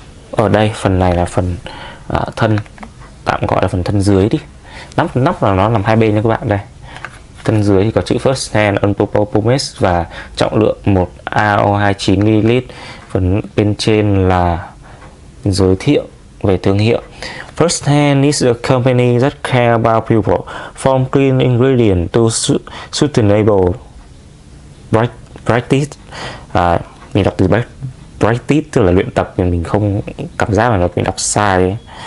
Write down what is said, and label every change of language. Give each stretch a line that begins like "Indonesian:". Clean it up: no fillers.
Vietnamese: Ở đây phần này là phần thân, tạm gọi là phần thân dưới đi. Nắp là nó nằm hai bên nha các bạn. Đây thân dưới thì có chữ First Hand All Purpose Pomade và trọng lượng 1 AO 29 ml. Phần bên trên là giới thiệu về thương hiệu.
English: First Hand is a company that care about people, from clean ingredient to sustainable practice.
Vietnamese: Mình đọc từ practice tức là luyện tập, nhưng mình không cảm giác là mình đọc sai.